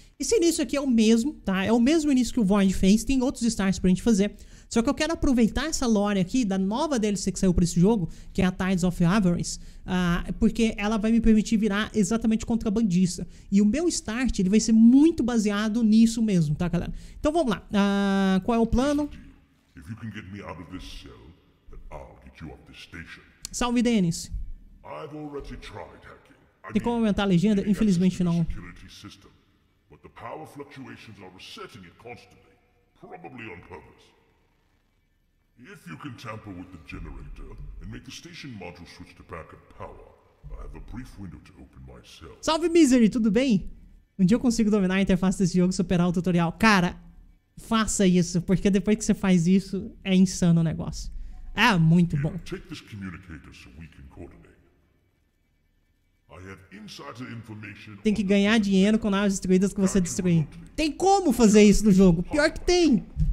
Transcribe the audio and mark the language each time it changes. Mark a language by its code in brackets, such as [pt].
[pt] Esse início aqui é o mesmo, tá? É o mesmo início que o Void fez, tem outros starts pra gente fazer. Só que eu quero aproveitar essa lore aqui da nova DLC que saiu pra esse jogo, que é a Tides of Avarice, porque ela vai me permitir virar exatamente contrabandista. E o meu start, ele vai ser muito baseado nisso mesmo, tá, galera? Então vamos lá. Qual é o plano? [en] If you can get me out of this cell, then I'll get you up the station. [pt] Salve, Dennis. [en] I've already tried hacking. [pt] Tem como aumentar a legenda? Infelizmente não. [en] Security system, but the power fluctuations are resetting it constantly, probably on purpose. If you can tamper with the generator and make the station module switch to backup power, I have a brief window to open my cell. [pt] Salve, Misery. Tudo bem? Um dia eu consigo dominar a interface desse jogo e superar o tutorial, cara. Faça isso, porque depois que você faz isso, é insano o negócio. É muito bom. [en] Take this communicator so we can coordinate. I have insider information. [pt] Tem que ganhar dinheiro com naves destruídas que você destruir. Tem como fazer isso no jogo? Pior que tem.